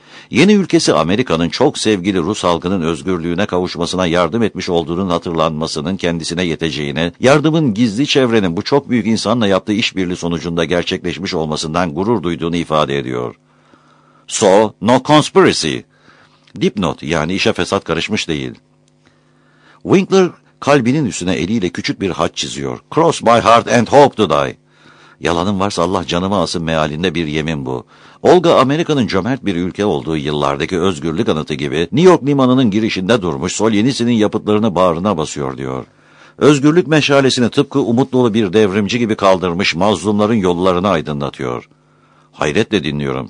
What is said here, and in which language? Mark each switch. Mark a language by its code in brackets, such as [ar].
[tr] Yeni ülkesi Amerika'nın çok sevgili Rus halkının özgürlüğüne kavuşmasına yardım etmiş olduğunun hatırlanmasının kendisine yeteceğini, yardımın gizli çevrenin bu çok büyük insanla yaptığı işbirliği sonucunda gerçekleşmiş olmasından gurur duyduğunu ifade ediyor. [en] So, no conspiracy. [tr] Dipnot, yani işe fesat karışmış değil. Winkler kalbinin üstüne eliyle küçük bir haç çiziyor. [en] Cross my heart and hope to die. [tr] Yalanım varsa Allah canımı alsın mealinde bir yemin bu. Olga Amerika'nın cömert bir ülke olduğu yıllardaki özgürlük anıtı gibi New York limanının girişinde durmuş Solzhenitsyn'in yapıtlarını bağrına basıyor diyor. Özgürlük meşalesini tıpkı umutlu bir devrimci gibi kaldırmış mazlumların yollarını aydınlatıyor. Hayretle dinliyorum.